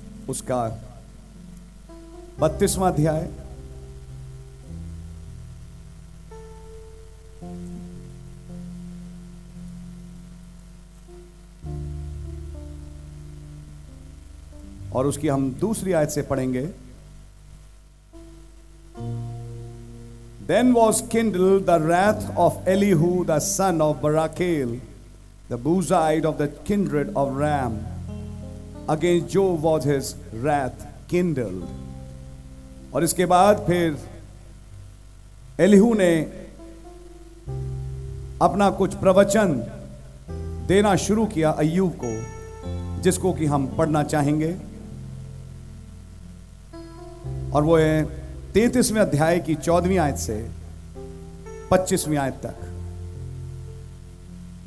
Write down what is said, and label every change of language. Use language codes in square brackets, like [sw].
[hi] उसका 32वां अध्याय और उसकी हम दूसरी आयत से पढ़ेंगे। [en] Then was kindled the wrath of Elihu the son of Barakel, the Buzite of the kindred of Ram. Against Job was his wrath kindled. [hi] और इसके बाद फिर एलिहू ने अपना कुछ प्रवचन देना शुरू किया अय्यूब को, जिसको कि हम पढ़ना चाहेंगे और वो है 33वें अध्याय की 14वीं आयत से 25वीं आयत तक।